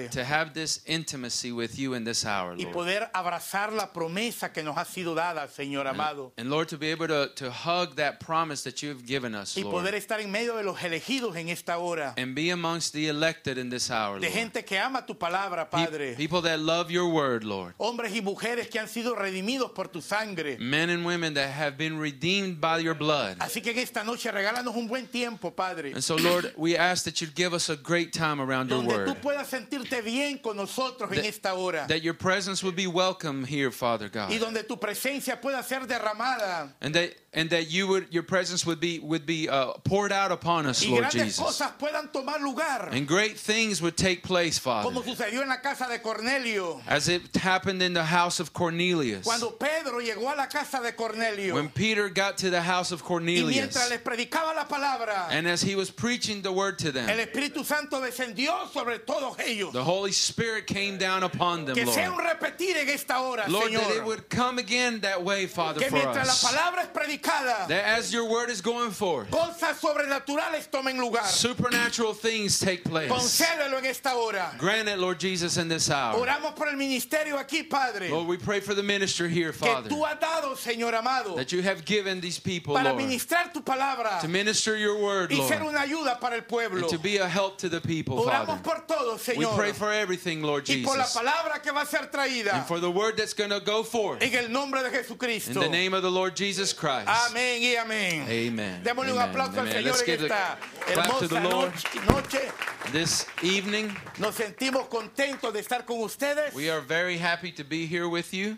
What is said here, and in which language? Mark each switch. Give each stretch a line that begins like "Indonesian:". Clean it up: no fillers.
English: Lord, to have this intimacy with you in this hour, Lord.
Spanish: Y poder abrazar la promesa que nos ha sido dada, Señor amado.
English: And Lord, to be able to hug that promise that you've given us, Lord.
Spanish: Y poder estar en medio de los elegidos en esta hora.
English: And be amongst the elected in this hour, Lord.
Spanish: De gente que ama tu palabra, Padre.
English: People that love your word, Lord.
Spanish: Hombres y mujeres que han sido redimidos por tu sangre.
English: Men and women that have been redeemed by your blood.
Spanish: Así que en esta noche regálanos un buen tiempo, Padre.
English: And so, Lord, we ask that you'd give us a great time around your word.
Spanish: Puedas sentirte bien con nosotros en esta hora.
English: That your presence would be welcome here, Father God.
Spanish: Y donde tu presencia pueda ser derramada.
English: And that you would, your presence would be poured out upon us, Lord Jesus.
Spanish: Y grandes cosas puedan tomar lugar.
English: And great things would take place, Father.
Spanish: Como sucedió en la casa de Cornelio.
English: As it happened in the house of Cornelius.
Spanish: Cuando Pedro llegó a la casa de Cornelio.
English: When Peter got to the house of Cornelius.
Spanish: Y mientras les predicaba la palabra.
English: And as he was preaching the word to them.
Spanish: El Espíritu Santo descendió sobre todos ellos.
English: The Holy Spirit came down upon them,
Spanish: que
English: Lord.
Spanish: Que sea un repetir en esta hora,
English: Lord,
Spanish: Señor.
English: That it would come again that way, Father,
Spanish: que
English: for us.
Spanish: Que mientras la palabra es predicada.
English: That as your word is going forth,
Spanish: cosas sobrenaturales tomen lugar.
English: Supernatural things take place.
Spanish: Concédelo en esta hora.
English: Grant it, Lord Jesus, in this hour.
Spanish: Oramos por el ministerio aquí, Padre.
English: Lord, we pray for the ministry here, Father.
Spanish: Que tú has dado, Señor amado,
English: that you have given these people,
Spanish: para
English: Lord,
Spanish: ministrar tu palabra,
English: to minister your word,
Spanish: y
English: Lord,
Spanish: ser una ayuda para el pueblo,
English: and to be a help to the people.
Spanish: Oramos
English: Father.
Spanish: Por todo, Señor.
English: We pray for everything, Lord Jesus.
Spanish: Y por la palabra que va a ser traída,
English: and for the word that's going to go forth.
Spanish: En el nombre de Jesucristo.
English: In the name of the Lord Jesus Christ.
Spanish: Amén y amén.
English: Amen.
Spanish: Démosle un aplauso
English: amen.
Spanish: Al Señor en esta hermosa noche.
English: This evening,
Spanish: nos sentimos contentos de estar con ustedes.
English: We are very happy to be here with you.